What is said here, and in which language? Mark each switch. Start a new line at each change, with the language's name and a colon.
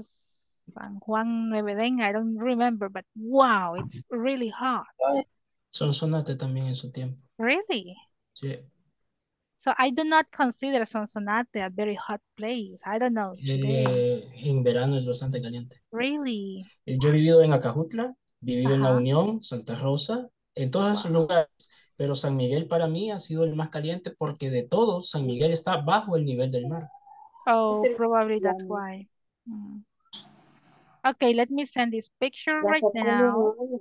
English: San Juan Nuevedenga, I don't remember, but wow, it's really hot.
Spanish: Sonsonate también en su tiempo.
English: Really?
Spanish: Sí.
English: So I do not consider Sonsonate a very hot place. I don't know.
Spanish: En verano es bastante caliente.
English: Really?
Spanish: Yo he vivido en Acajutla, vivido en La Unión, Santa Rosa, en todos esos lugares. Pero San Miguel para mí ha sido el más caliente porque de todo San Miguel está bajo el nivel del mar.
English: Oh, probably that's why. Okay, let me send this picture right now.